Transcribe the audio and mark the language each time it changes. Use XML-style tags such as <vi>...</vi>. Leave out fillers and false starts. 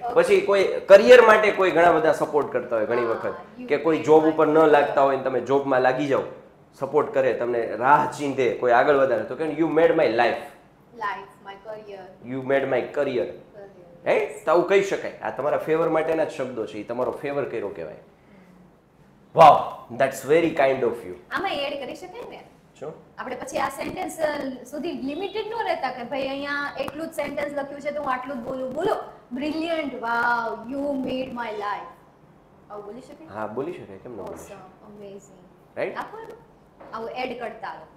<gu>પછી કોઈ કરિયર માટે કોઈ ઘણા બધા સપોર્ટ કરતા હોય ઘણી વખત, કે કોઈ જોબ ઉપર ન લાગતા હોય ને તમે જોબમાં લાગી જાઓ, સપોર્ટ કરે, તમને રાહ ચીંધે, કોઈ આગળ વધારે, તો કે</gu> <en>You made my life, life, my career, you made my career, right?</en> <gu>તો આવું કહી શકાય, આ તમારા ફેવર માટેના જ શબ્દો છે, એ તમારો ફેવર કર્યો કહેવાય.</gu> <en>Wow, that's very kind of you.</en> <gu>આમાં એડ કરી શકાય ને? શું? આપણે પછી આ સેન્ટેન્સ સુધી લિમિટેડ નો રહેતા કે ભાઈ અહીંયા એટલું જ સેન્ટેન્સ લખ્યું છે તો હું આટલું જ બોલું. બોલો,</gu> <en>Brilliant, wow, you made my life.</en> <gu>આવું બોલી શકે? હા, બોલી શકે, કેમ ન બોલી શકે?</gu> <en>Amazing, right?</en> <gu>આવું એડ કરતા રહો.</gu>